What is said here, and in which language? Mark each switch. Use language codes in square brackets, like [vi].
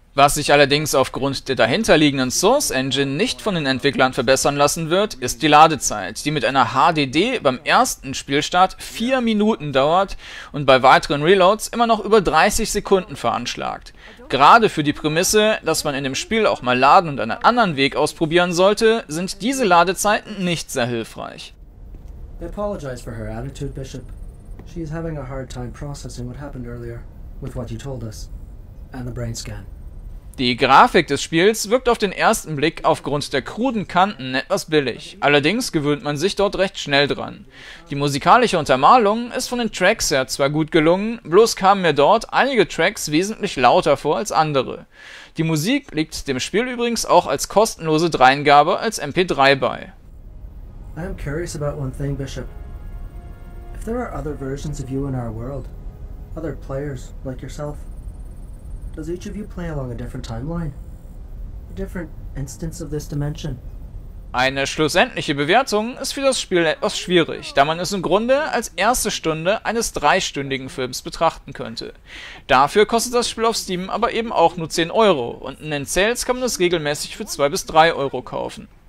[de] Was sich allerdings aufgrund der dahinterliegenden Source Engine nicht von den Entwicklern verbessern lassen wird, ist die Ladezeit, die mit einer HDD beim ersten Spielstart 4 Minuten dauert und bei weiteren Reloads immer noch über 30 Sekunden veranschlagt. Gerade für die Prämisse, dass man in dem Spiel auch mal laden und einen anderen Weg ausprobieren sollte, sind diese Ladezeiten nicht sehr hilfreich. [en] I apologize for her attitude, Bishop. She is having a hard time processing what happened earlier with what you told us and the brain scan. [de] Die Grafik des Spiels wirkt auf den ersten Blick aufgrund der kruden Kanten etwas billig, allerdings gewöhnt man sich dort recht schnell dran. Die musikalische Untermalung ist von den Tracks her zwar gut gelungen, bloß kamen mir dort einige Tracks wesentlich lauter vor als andere. Die Musik liegt dem Spiel übrigens auch als kostenlose Dreingabe als MP3 bei. [en] I am curious about one thing, Bishop. If there are other versions of you in our world, other players like yourself, does each of you play along a different timeline? A different instance of this dimension? [de] Eine schlussendliche Bewertung ist für das Spiel etwas schwierig, da man es im Grunde als erste Stunde eines dreistündigen Films betrachten könnte. Dafür kostet das Spiel auf Steam aber eben auch nur 10 Euro und in den Sales kann man es regelmäßig für 2 bis 3 Euro kaufen.